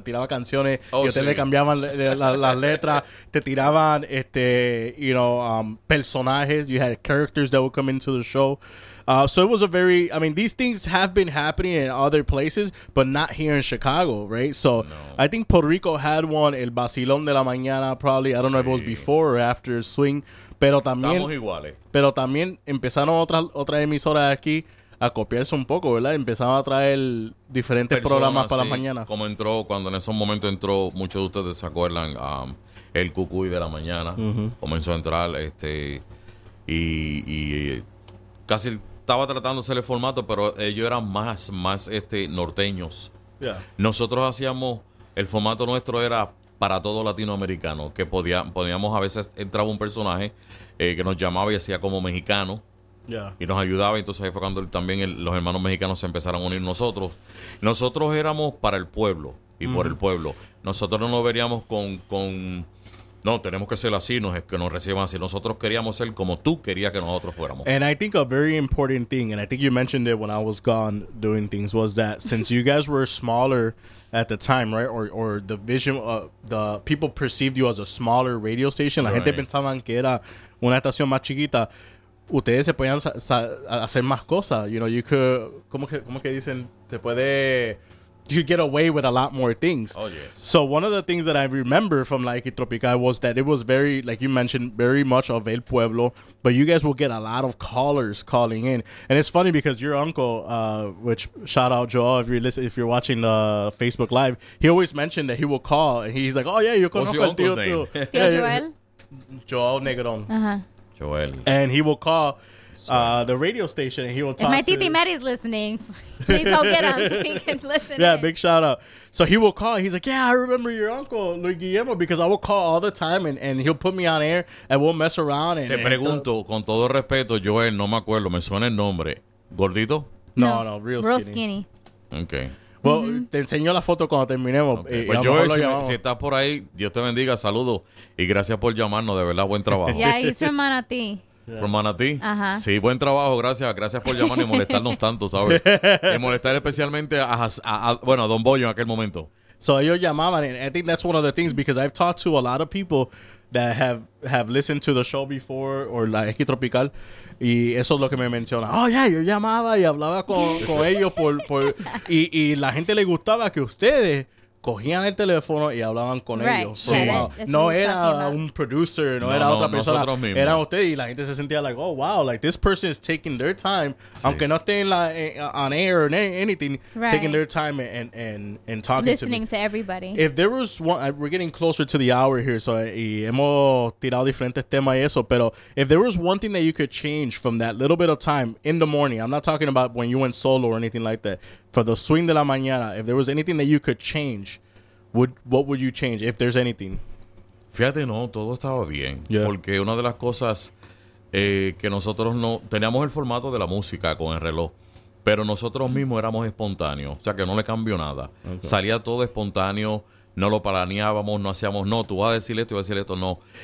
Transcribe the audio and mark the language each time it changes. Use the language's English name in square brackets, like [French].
[Spanish] Te tiraba canciones que te le cambiaban las letras. Te tiraban, [English] you know, [Spanish] personajes. [English] You had characters that would come into the show. So it was a very, I mean, these things have been happening in other places, but not here in Chicago, right? So no. I think Puerto Rico had one, el vacilón de la mañana, probably. I don't know if it was before or after swing. [Spanish] Pero también, estamos iguales. Pero también empezaron otras emisoras aquí a copiarse un poco, ¿verdad? Empezaron a traer diferentes personas, programas para la mañana. Como entró, cuando en esos momentos entró, muchos de ustedes se acuerdan, el Cucuy de la mañana. Comenzó a entrar, y casi estaba tratando de hacer el formato, pero ellos eran más norteños. Nosotros hacíamos, el formato nuestro era para todo latinoamericano, que podíamos, a veces entraba un personaje que nos llamaba y hacía como mexicano. Y nos ayudaba. Entonces ahí fue cuando los hermanos mexicanos se empezaron a unir nosotros. Nosotros éramos para el pueblo y por el pueblo. Nosotros no nos veríamos con no, tenemos que ser así, no es que nos reciban así. Nosotros queríamos ser como tú querías que nosotros fuéramos. [English] And I think a very important thing, and I think you mentioned it when I was gone doing things, was that since you guys were smaller at the time, right, or the vision, the people perceived you as a smaller radio station. [Spanish] La gente pensaba que era una estación más chiquita. Ustedes se podían hacer más cosas, [English] you know, you could, [Spanish] ¿cómo que dicen? Se puede, [English] you could get away with a lot more things. Oh, yes. So one of the things that I remember from La Equi Tropical was that it was very, like you mentioned, very much of El Pueblo, but you guys will get a lot of callers calling in. And it's funny because your uncle, which shout out Joel, if you're watching the Facebook Live, he always mentioned that he will call, and he's like, oh yeah, [Spanish] yo conozco [English] your uncle's [Spanish] tío [English] name? Tío Joel? Joel Negron. Uh-huh. Joel. And he will call the radio station and he will talk to... If my titi Mary's listening, please go get him so he can listen. Yeah, big shout out. So he will call. He's like, yeah, I remember your uncle, Luis Guillermo, because I will call all the time and he'll put me on air and we'll mess around. [Spanish] Te pregunto, con todo respeto, Joel, no me acuerdo, me suena el nombre. ¿Gordito? [English] No, real skinny. Okay. Well, [Spanish] te enseño la foto cuando terminemos. [English] Okay. [Spanish] Pues Joel, si estás por ahí, Dios te bendiga, saludos. Y gracias por llamarnos, de verdad, buen trabajo. [English] Yeah, he's from Manatee. From Manatee. [Spanish] Ajá. Sí, buen trabajo, gracias por llamarnos y molestarnos tanto, ¿sabes? Y molestar especialmente a Don Boyo en aquel momento. [English] So [Spanish] ellos llamaban, [English] and I think that's one of the things, because I've talked to a lot of people that have listened to the show before, or La Equi Tropical, [Spanish] y eso es lo que me menciona. [English] Oh, yeah, [Spanish] yo llamaba y hablaba con ellos por y la gente le gustaba que ustedes cogían el teléfono y hablaban con ellos. [English] So, yeah, [Spanish] no era un producer, no, no era otra persona. Era usted y la gente se sentía [English] like, oh, wow, like this person is taking their time, sí. [Spanish] aunque no esté en la, [English] on air or anything, right. taking their time and talking listening to me. Listening to everybody. If there was one, we're getting closer to the hour here, so [Spanish] y hemos tirado diferentes temas y eso, [English] pero if there was one thing that you could change from that little bit of time in the morning, I'm not talking about when you went solo or anything like that, for the swing de la mañana, if there was anything that you could change, what would you change, if there's anything? [Spanish] Fíjate, no, todo estaba bien. Yeah. Porque una de las cosas que nosotros no... Teníamos el formato de la música con el reloj, pero nosotros mismos éramos espontáneos. O sea, que no le cambió nada. [English] Okay. [Spanish] Salía todo espontáneo, no lo planeábamos, no hacíamos, no, tú vas a decir esto, yo voy a decir esto, no.